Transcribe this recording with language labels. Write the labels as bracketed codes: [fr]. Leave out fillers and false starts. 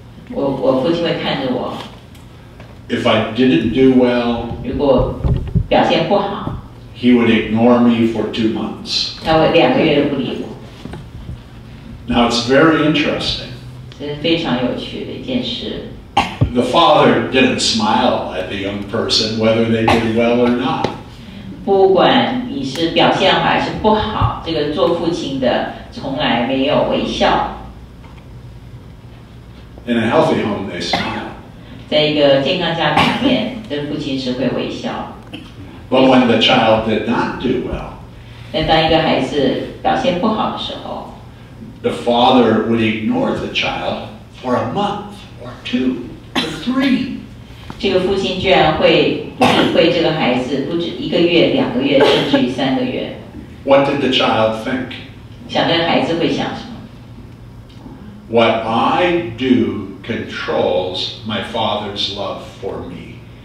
[zh] 我父亲会看着我。 [en] If I didn't do well, [zh] 如果表现不好, [en] he would ignore me for 2 months. [zh] 他会两个月都不理我。 [en] Now it's very interesting. [zh] 这是非常有趣的一件事。 [en] The father didn't smile at the young person, whether they did well or not. [zh] 不管你是表现好还是不好，这个做父亲的从来没有微笑。 [en] In a healthy home, they smile. [zh] 在一个健康家庭里面，这父亲是会微笑。 [en] But when the child did not do well, [zh] 但当一个孩子表现不好的时候， [en] the father would ignore the child for a month or two or three. [zh] 这个父亲居然会不理会这个孩子，不止一个月、两个月，甚至于三个月。 [en] What did the child think? [zh] 想跟孩子会想什么？ [en] What I do controls my father's love for me.